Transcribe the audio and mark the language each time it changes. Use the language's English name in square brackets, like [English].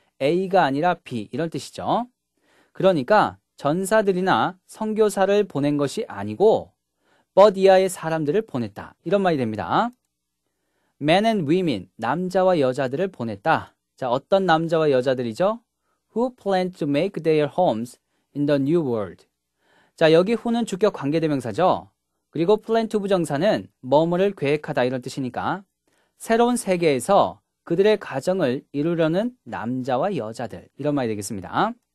[Korean] A가 아니라 B, 이런 뜻이죠. 그러니까 전사들이나 선교사를 보낸 것이 아니고 but 이하의 사람들을 보냈다. 이런 말이 됩니다. [English] Men and women, [Korean] 남자와 여자들을 보냈다. 자, 어떤 남자와 여자들이죠? [English] Who plan to make their homes in the new world? [Korean] 자, 여기 who는 주격 관계대명사죠. 그리고 plan to 부정사는 뭐뭐를 계획하다 이런 뜻이니까 새로운 세계에서 그들의 가정을 이루려는 남자와 여자들 이런 말이 되겠습니다.